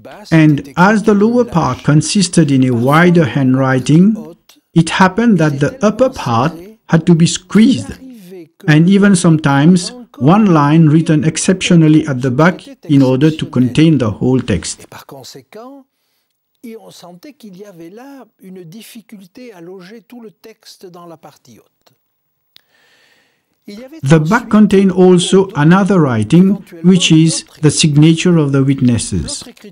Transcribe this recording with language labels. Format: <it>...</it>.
<en>And as the lower part consisted in a wider handwriting, it happened that the upper part had to be squeezed, and even sometimes one line written exceptionally at the back in order to contain the whole text.</en> <fr>Par conséquent, on sentait qu'il y avait là une difficulté à loger tout le texte dans la partie haute.</fr> <en>The back contained also another writing, which is the signature of the witnesses.</en>